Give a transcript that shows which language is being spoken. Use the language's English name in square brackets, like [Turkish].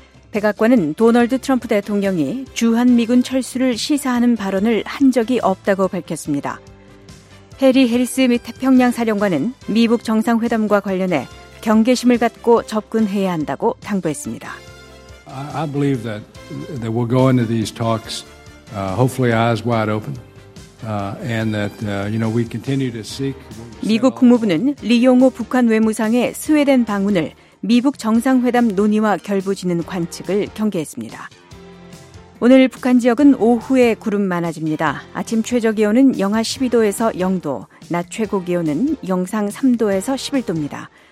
[Korean] 백악관은 도널드 트럼프 대통령이 주한미군 철수를 시사하는 발언을 한 적이 없다고 밝혔습니다. 해리 해리스 및 태평양 사령관은 미북 정상회담과 관련해 경계심을 갖고 접근해야 한다고 당부했습니다. [English] I believe that they will go into these talks. Hopefully eyes wide open. And that, you know, we continue to seek. [Korean] 미국 국무부는 리용호 북한 외무상의 스웨덴 방문을 미북 정상회담 논의와 결부짓는 관측을 경계했습니다. 오늘 북한 지역은 오후에 구름 많아집니다. 아침 최저 기온은 영하 12도에서 0도, 낮 최고 기온은 영상 3도에서 11도입니다.